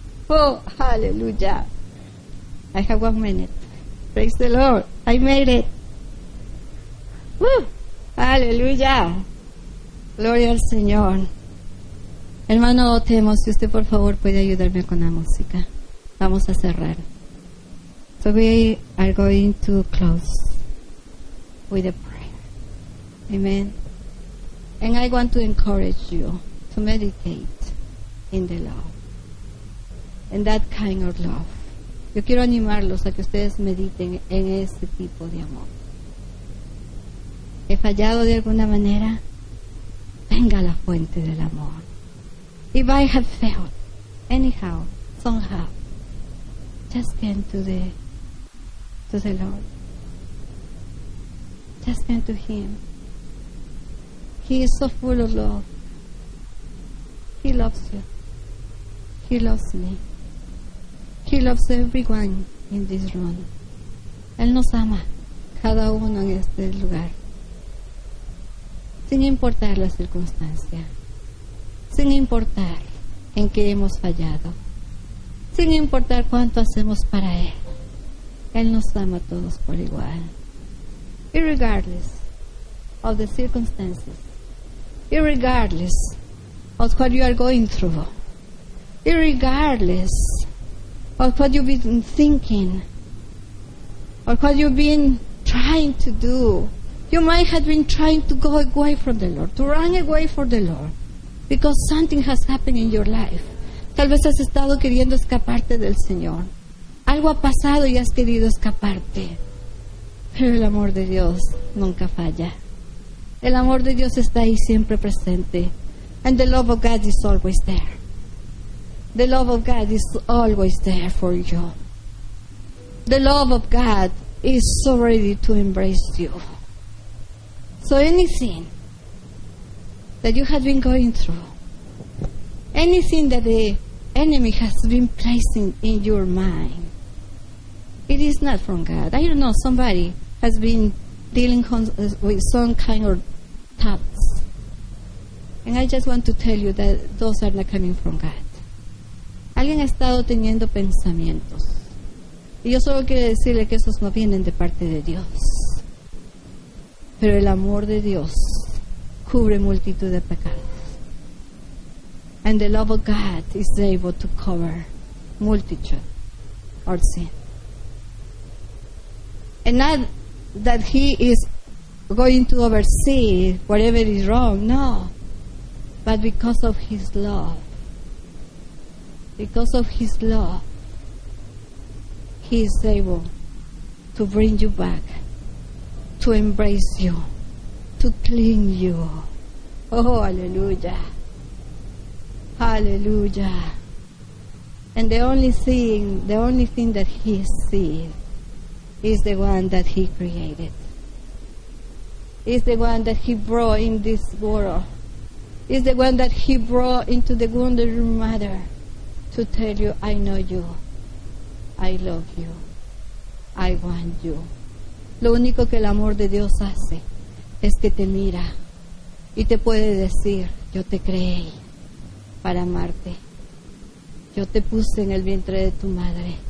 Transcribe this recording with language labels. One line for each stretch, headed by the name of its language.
English: Oh, aleluya. I have 1 minute. Praise the Lord. I made it.
Spanish: Aleluya. Gloria al Señor. Hermano Otemo, si usted por favor puede ayudarme con la música. Vamos a cerrar.
English: So we are going to close with a prayer. Amén. And I want to encourage you to meditate in the love, in that kind of love.
Spanish: Yo quiero animarlos a que ustedes mediten en ese tipo de amor. He fallado de alguna manera, venga la fuente del amor.
English: If I have failed, anyhow, somehow, just come to the Lord. Just come to Him. He is so full of love. He loves you. He loves me. He loves everyone in this room.
Spanish: Él nos ama, cada uno en este lugar, sin importar la circunstancia, sin importar en qué hemos fallado, sin importar cuánto hacemos para Él. Él nos ama a todos por igual.
English: Irregardless of the circumstances, irregardless of what you are going through, irregardless of what you've been thinking or what you've been trying to do, you might have been trying to go away from the Lord, to run away from the Lord, because something has happened in your life.
Spanish: Tal vez has estado queriendo escaparte del Señor. Algo ha pasado y has querido escaparte. Pero el amor de Dios nunca falla. El amor de Dios está ahí siempre presente.
English: And the love of God is always there. The love of God is always there for you. The love of God is so ready to embrace you. So anything that you have been going through, anything that the enemy has been placing in your mind, it is not from God. I don't know, somebody has been dealing with some kind of thoughts. And I just want to tell you that those are not coming from God.
Spanish: Alguien ha estado teniendo pensamientos. Y yo solo quiero decirle que esos no vienen de parte de Dios. Pero el amor de Dios cubre multitud de pecados.
English: And the love of God is able to cover multitude of sin. And not that He is going to oversee whatever is wrong. No. But because of His love. Because of His love, He is able to bring you back, to embrace you, to clean you. Oh, hallelujah. Hallelujah. And the only thing that He sees is the one that He created. Is the one that He brought in this world. Is the one that He brought into the wondering mother to tell you, I know you. I love you. I want you.
Spanish: Lo único que el amor de Dios hace es que te mira y te puede decir, yo te creé para amarte. Yo te puse en el vientre de tu madre.